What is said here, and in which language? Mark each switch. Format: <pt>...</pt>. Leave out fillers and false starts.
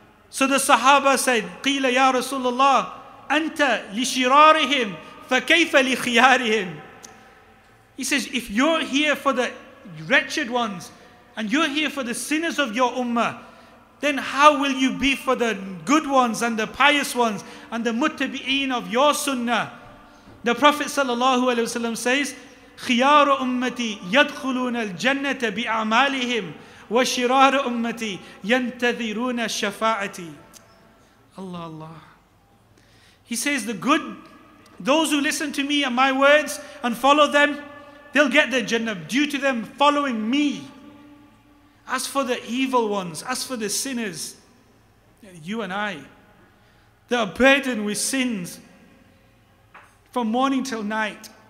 <en>So the Sahaba said,</en> <ar>قِيلَ يَا رَسُولَ اللَّهِ أَنْتَ لِشِرَارِهِمْ فَكَيْفَ لِخِيَارِهِمْ.</ar> <en>He says, if you're here for the wretched ones and you're here for the sinners of your ummah, then how will you be for the good ones and the pious ones and the muttabi'een of your sunnah? The Prophet sallallahu alayhi wa sallam says,</en> <ar>خِيَارُ أُمَّتِي يَدْخُلُونَ الْجَنَّةَ بِأَعْمَالِهِمْ وَشِرَارُ أُمَّتِي يَنْتَذِرُونَ الشَّفَاعَةِ.</ar> <en>Allah, Allah. He says, the good, those who listen to me and my words and follow them, they'll get their Jannah due to them following me. As for the evil ones, as for the sinners, you and I, they are burdened with sins from morning till night.</en>